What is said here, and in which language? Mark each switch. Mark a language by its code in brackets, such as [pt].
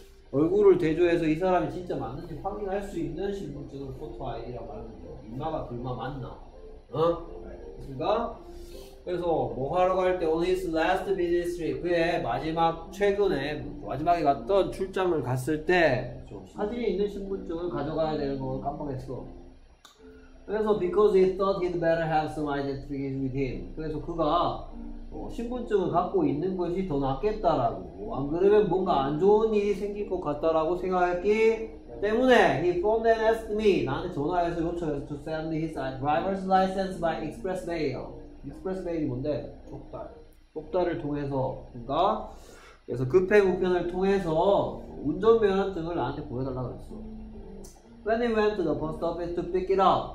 [ko] 얼굴을 대조해서 이 사람이 진짜 맞는지 확인할 수 있는 신분증을 포토 아이디라고 하는데 누나가 둘만 맞나? 어? 그러니까 그래서 뭐 하러 갈 때 [en] on his last business trip [ko] 그의 마지막 최근에 마지막에 갔던 출장을 갔을 때 그렇죠. 사진이 있는 신분증을 가져가야 되는 건 깜빡했어. [en] 그래서 because he thought he'd better have some identification with him. [ko] 그래서 그가 신분증을 갖고 있는 것이 더 낫겠다라고 안 그러면 뭔가 안 좋은 일이 생길 것 같다라고 생각했기 때문에 [en] he phoned and asked me [ko] 나한테 전화해서 요청해서 [en] to send his driver's license by express mail. [ko] Express mail이 뭔데? 쪽다를 통해서 뭔가 그래서 급행 우편을 통해서 운전면허증을 나한테 보여달라고 했어. [en] When he went to the post office to pick it up.